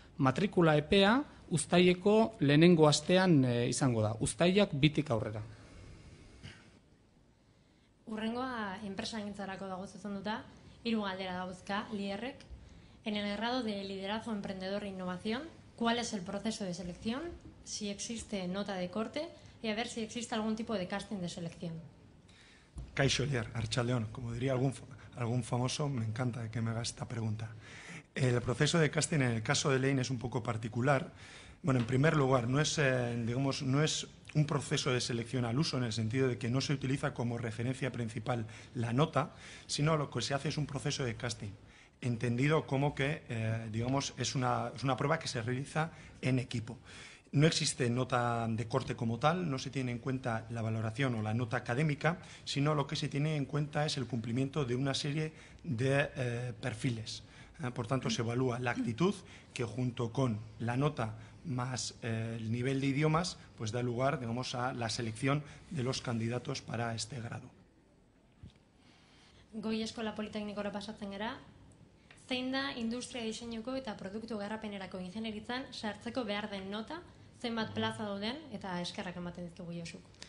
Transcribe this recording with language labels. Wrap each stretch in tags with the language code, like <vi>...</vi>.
<eu>Matrikula epea uztaileko lehenengo astean izango da. Uztailak bitik aurrera. Urrengoa enpresagintzarako dago zuzenduta, hiru galdera dauzka liderrek.</eu> <es>En el grado de liderazgo emprendedor e innovación, ¿cuál es el proceso de selección? Si existe nota de corte y a ver si existe algún tipo de casting de selección.</es> <eu>Kaixo lider, Arratsaldeon,</eu> <es>como diría algún famoso, me encanta que me haga esta pregunta. El proceso de casting en el caso de Lane es un poco particular. Bueno, en primer lugar, no es un proceso de selección al uso, en el sentido de que no se utiliza como referencia principal la nota, sino lo que se hace es un proceso de casting, entendido como que, es una prueba que se realiza en equipo. No existe nota de corte como tal, no se tiene en cuenta la valoración o la nota académica, sino lo que se tiene en cuenta es el cumplimiento de una serie de perfiles. Por tanto, se evalúa la actitud, que junto con la nota más el nivel de idiomas, pues da lugar, digamos, a la selección de los candidatos para este grado.</es> <eu>Goi Eskola Politeknikora pasatzen gara. Zein da industria diseinuko eta produktu garrapenerako ingenieritzan sartzeko behar den nota, zenbat plaza dauden eta eskerrak ematen dizugu Josuk.</eu>